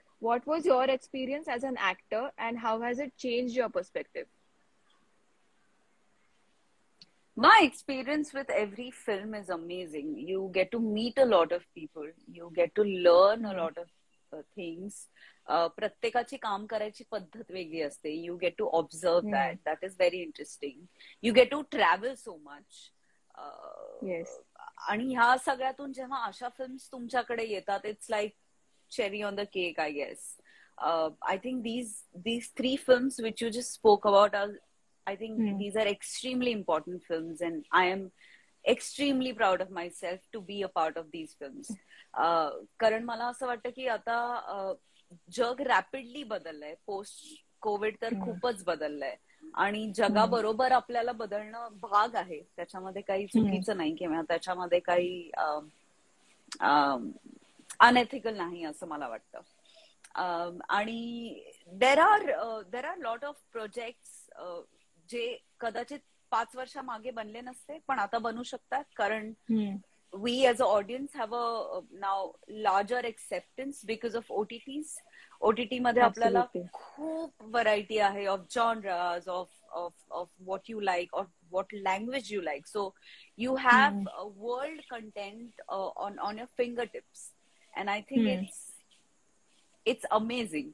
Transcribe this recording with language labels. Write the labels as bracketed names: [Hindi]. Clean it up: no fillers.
[English] What was your experience as an actor and how has it changed your perspective? My experience with every film is amazing. You get to meet a lot of people. You get to learn a lot of things. [Marathi] प्रत्येकाची काम करायची पद्धत वेगळी असते. [English] You get to observe that is very interesting. You get to travel so much. [Marathi] आणि ह्या सगळ्यातून जेव्हा अशा फिल्म्स तुमच्याकडे येतात, [English] It's like cherry on the cake. I guess I think these three films which you just spoke about, I think these are extremely important films, and I am extremely proud of myself to be a part of these films. [Marathi] कारण मला असं वाटतं की आता जग rapidly बदललंय. Post Covid तर खूपच बदललंय आणि जगाबरोबर आपल्याला बदलणं भाग आहे. त्याच्यामध्ये काही चुकीचं नाही किंवा त्याच्यामध्ये काही अनएथिकल नाही असं मला वाटतं. [English] आणि there are lot of projects [Marathi] जे कदाचित 5 वर्षामागे बनले नसते पण आता बनू शकतात, कारण [English] we as a audience have a now larger acceptance because of OTTs. OTT [Marathi] madhe aplyala khup [English] variety ahe of genres, of what you like, of what language you like. So you have a world content on your fingertips, and I think it's amazing.